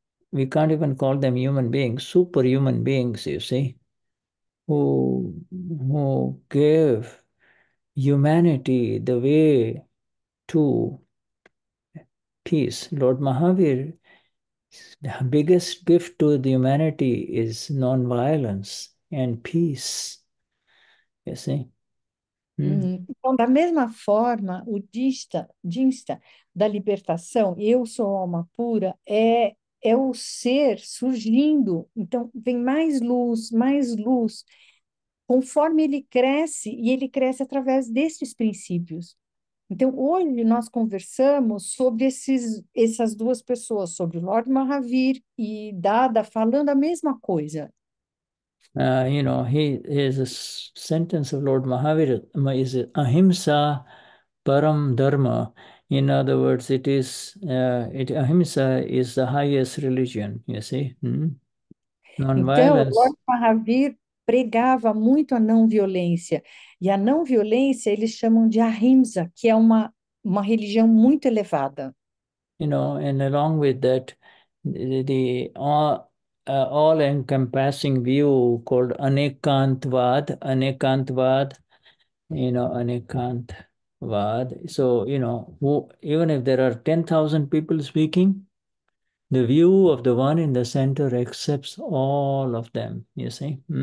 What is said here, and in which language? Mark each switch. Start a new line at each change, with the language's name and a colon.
English: We can't even call them human beings, superhuman beings, you see, who gave humanity the way to peace. Lord Mahavir's biggest gift to the humanity is nonviolence and peace, you see.
Portuguese: Então, da mesma forma, o dista da libertação, eu sou alma pura, é o ser surgindo. Então, vem mais luz, conforme ele cresce, e ele cresce através destes princípios. Então, hoje nós conversamos sobre essas duas pessoas, sobre Lord Mahavir e Dada, falando a mesma coisa.
English: You know, his sentence of Lord Mahavir is
Sanskrit: ahimsa param dharma.
English: In other words, it is ahimsa is the highest religion. You see, Nonviolence.
Portuguese: Então, Lord Mahavir pregava muito a não violência, e a não violência eles chamam de ahimsa, que é uma religião muito elevada.
English: You know, and along with that, all encompassing view called anekantvad, you know, anekantvad. So, you know, even if there are 10,000 people speaking, the view of the one in the center accepts all of them, you see.